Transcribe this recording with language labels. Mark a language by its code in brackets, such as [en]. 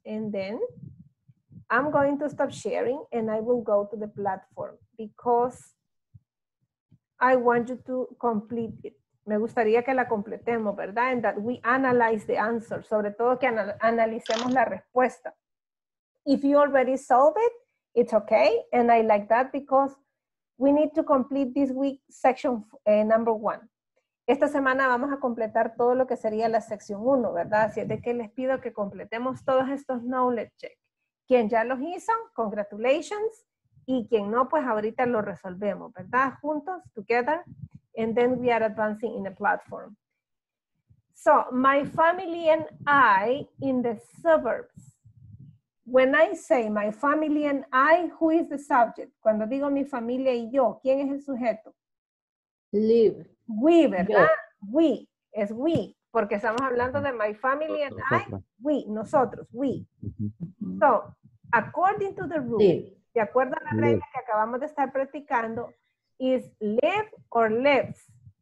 [en] And then I'm going to stop sharing and I will go to the platform because I want you to complete it. [es] Me gustaría que la completemos, ¿verdad? [en] And that we analyze the answer. [es] Sobre todo que analicemos la respuesta. [en] If you already solved it, it's okay. And I like that because we need to complete this week section number one. [es] Esta semana vamos a completar todo lo que sería la sección uno, ¿verdad? Así es de que les pido que completemos todos estos knowledge check. Quien ya los hizo, congratulations. Y quien no, pues ahorita lo resolvemos, ¿verdad? Juntos, together. [en] And then we are advancing in a platform. So my family and I in the suburbs. When I say my family and I, who is the subject? [es] Cuando digo mi familia y yo, ¿quién es el sujeto? [en] Live. [es] We, ¿verdad? Yo. We. Es we. Porque estamos hablando de [en] my family and I. [es] We. Nosotros. We. [en] So, according to the rule, live. [es] De acuerdo a la regla live. Que acabamos de estar practicando, [en] is live or lives?